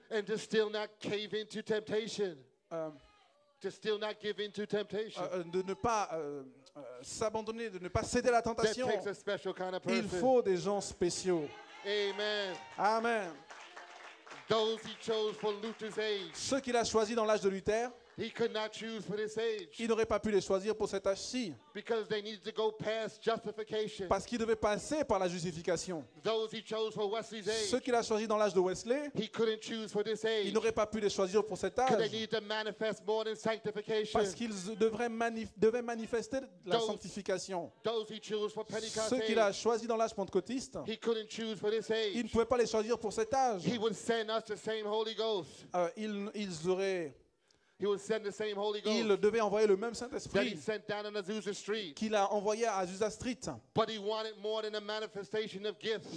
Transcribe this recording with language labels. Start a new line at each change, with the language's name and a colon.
English: and to still not cave into temptation, to still not give into temptation,
French: de ne pas s'abandonner, de ne pas céder à la tentation.
English: That takes a special kind of person.
French: Il faut des gens spéciaux.
English: Amen.
French: Amen.
English: Those he chose for Luther's age,
French: ceux qu'il a choisis dans l'âge de Luther,
English: he could not choose for this age.
French: Il n'aurait pas pu les choisir pour cet âge-ci.
English: Because they needed to go past justification.
French: Parce qu'ils devaient passer par la justification.
English: Those he chose for Wesley's age.
French: Ceux qu'il a choisis dans l'âge de Wesley,
English: he couldn't choose for this age.
French: Il n'aurait pas pu les choisir pour cet âge.
English: They needed to manifest more than sanctification.
French: Parce qu'ils devaient manifester la sanctification.
English: Those he chose for Pentecost.
French: Ceux qu'il a choisis dans l'âge pentecôtiste,
English: he couldn't choose for this age.
French: Il ne pouvait pas les choisir pour cet âge.
English: He would send us the same Holy Ghost.
French: Ils auraient...
English: He would send the same Holy Ghost.
French: Il devait envoyer le même Saint-Esprit
English: that he sent down on Azusa Street.
French: Qu'il a envoyé à Azusa Street.
English: But he wanted more than a manifestation of gifts.